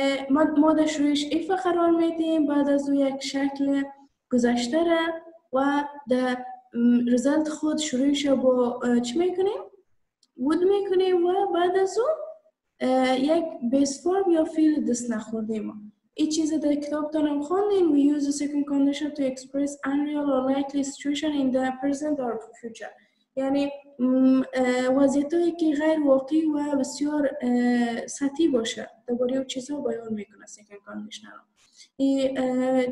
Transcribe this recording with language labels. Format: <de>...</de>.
<fa>ما در شروعش if قرار میدیم، بعد از او یک شکل گذشته را و در result خود شروعش با چی میکنیم؟ would میکنیم و بعد از او یک بیس فرم یا فیل دست نخورده ما. این چیزه در کتاب دارم خوندین.</fa> <en>We use the second condition to express unreal or likely situation in the present or future.</en> <fa>یعنی وضعیت هایی که غیر واقعی و بسیار سطحی باشه در باره او چیزها بیان میکنه second condition رو.</fa>